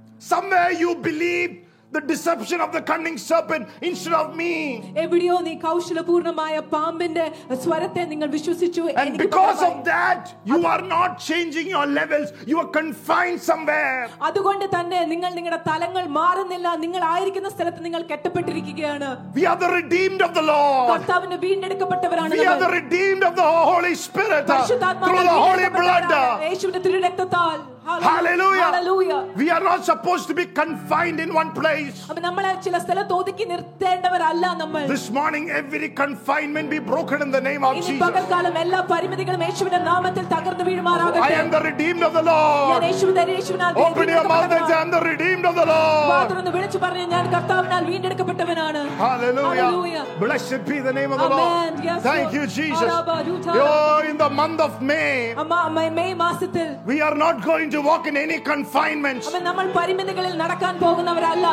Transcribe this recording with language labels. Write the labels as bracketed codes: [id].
[en] Somewhere you believe the deception of the cunning serpent instead of me. [ml] എവിടെയോ നീ കൗശലപൂർണമായ പാമ്പിന്റെ സ്വരത്തെ നിങ്ങൾ വിശ്വസിച്ചു. [en] And because of that, you are not changing your levels. You are confined somewhere. [ml] അതുകൊണ്ട് തന്നെ നിങ്ങൾ നിങ്ങളുടെ തലങ്ങൾ മാറുന്നില്ല. നിങ്ങൾ ആയിരിക്കുന്ന സ്ഥലത്ത് നിങ്ങൾ കെട്ടപ്പെട്ടിരിക്കുകയാണ്. [en] We are the redeemed of the Lord. [ml] കർത്താവിനെ വീണ്ടെടുക്കപ്പെട്ടവരാണ് നമ്മൾ. [en] We are the redeemed of the Holy Spirit. [ml] പരിശുദ്ധാത്മാവിന്റെ [en] the Holy Blood. [ml] യേശുവിന്റെ തിരുരക്തത്താൽ. [en] Hallelujah. Hallelujah. We are not supposed to be confined in one place. [ml] നമ്മളെ ചില സ്ഥലത്ത് ഒതുക്കി നിർത്തേണ്ടവരല്ല നമ്മൾ. [en] This morning every confinement be broken in the name of Jesus. [ml] ഈ പകൽക്കാലം എല്ലാ പരിമിതികളും യേശുവിന്റെ നാമത്തിൽ തകർന്നു വീഴുമാറാകട്ടെ. [en] I am the redeemed of the Lord. [ml] ഞാൻ യേശുവിനാൽ വീണ്ടെടുക്കപ്പെട്ടവനാണ്. [en] Open your mouth and say, I'm the redeemed of the Lord. [ml] വാതുറന്ന് വിളിച്ചു പറഞ്ഞു ഞാൻ കർത്താവിനാൽ വീണ്ടെടുക്കപ്പെട്ടവനാണ്. [en] Hallelujah. Blessed be the name of the Lord. Amen. Yes, thank you, Jesus. You're in the month of May. [ml] May മാസത്തിൽ. [en] We are not going to walk in any confinements. [ml] അമ്മ നമ്മൾ പരിമിതികളിൽ നടക്കാൻ പോകുന്നവരല്ല.